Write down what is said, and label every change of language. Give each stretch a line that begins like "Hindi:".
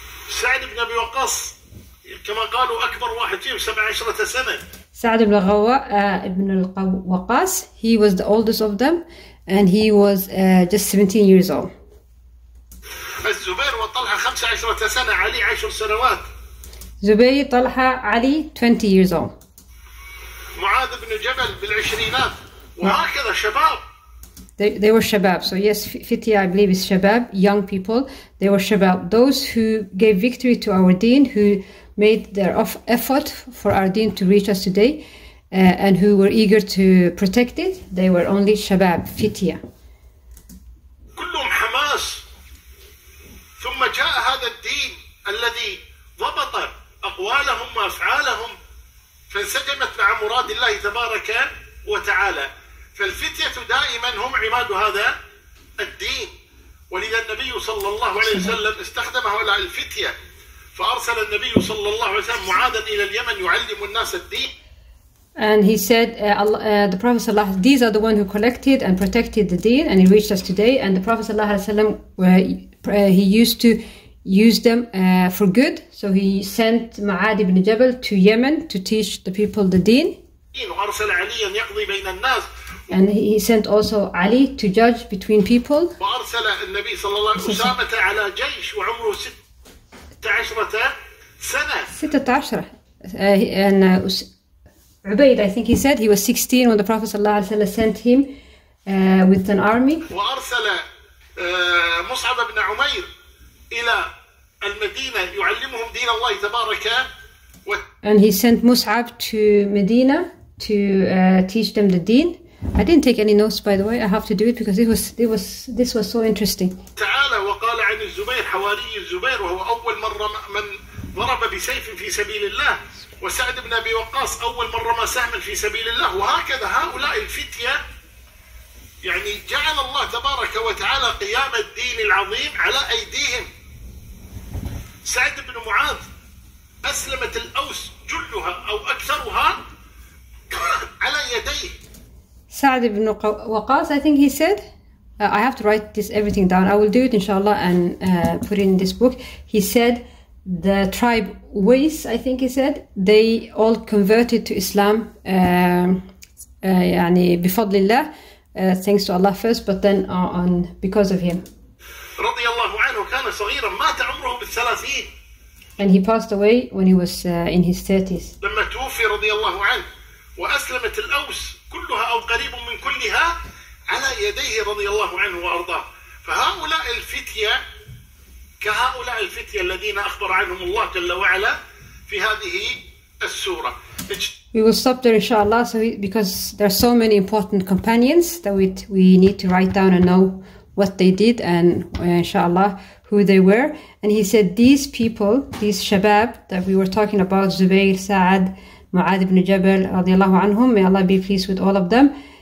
Arabic: سعد بن أبي وقاص, كما قالوا أكبر واحد فيهم 17 سنة. سعد بن غوا ابن القوقاس.
English: He was the oldest of them, and he was just 17 years old.
Arabic: الزبير وطلحة 15 سنة. علي 10 سنوات.
English: زبير, طلحة, علي 20 years old.
Arabic: معاذ بن جبل بالعشرينات. وهكذا شباب.
English: They were shabab. So yes, fitya, I believe, is shabab, young people. They were shabab. Those who gave victory to our deen, who made their effort for our deen to reach us today, and who were eager to protect it, they were only shabab, fitya.
Arabic: كلهم حماس. ثم جاء هذا الدين الذي ضبط أقوالهم وأفعالهم فانسجمت مع مراد الله تبارك وتعالى. فالفتية دائما هم عماد هذا الدين. ولذا النبي صلى الله عليه وسلم استخدم هؤلاء الفتية. فأرسل النبي صلى الله عليه وسلم معاذا إلى اليمن يعلم الناس الدين.
English: And he said, the Prophet صلى الله عليه وسلم, these are the ones who collected and protected the deen and he reached us today. And the Prophet صلى الله عليه وسلم, he used to use them for good. So he sent معاذ بن جبل to Yemen to teach the people the deen.
Arabic: وأرسل عليا يقضي بين الناس.
English: And he sent also Ali to judge between people.
Arabic: وأرسل النبي صلى الله عليه وسلم أسامة على جيش وعمره 16 سنة.
English: 16. And Ubayd, I think he said, he was 16 when the Prophet صلى الله عليه وسلم sent him with an army.
Arabic: وأرسل مصعب بن عمير إلى المدينة يعلمهم دين الله تبارك.
English: And he sent مصعب to Medina to teach them the deen. I didn't take any notes, by the way. I have to do it because this was so interesting.
Arabic: تعالى وقال عن الزبير حواري الزبير وهو أول مرة من ضرب بسيف في سبيل الله وسعد بن أبي وقاص أول مرة ما سهم في سبيل الله وهكذا هؤلاء الفتية يعني جعل الله تبارك وتعالى قيام الدين العظيم على أيديهم. سعد بن معاذ أسلمت الأوس جلها أو أكثرها على يديه.
English: Sa'd ibn Waqas, I think he said, I have to write this everything down. I will do it, inshallah, and put it in this book. He said, the tribe Wais, I think he said, they all converted to Islam,
Arabic: يعني بفضلillah,
English: thanks to Allah first, but then on because of him.
Arabic: رضي الله عنه كان صغيرا مات عمره بالثلاثين.
English: And he passed away when he was in his 30s.
Arabic: لما توفي رضي الله عنه وأسلمت الأوس كلها أو قريب من كلها على يديه رضي الله عنه وأرضاه. فهؤلاء الفتية كهؤلاء الفتية الذين أخبر عنهم الله جل وعلا في هذه السورة.
English: We will stop there, inshallah, so because there are so many important companions that we need to write down and know what they did and inshallah who they were. And he said these people, these shabab that we were talking about, Zubayr, Sa'ad, Mu'ad ibn Jabal, radiallahu anhum, may Allah be pleased with all of them.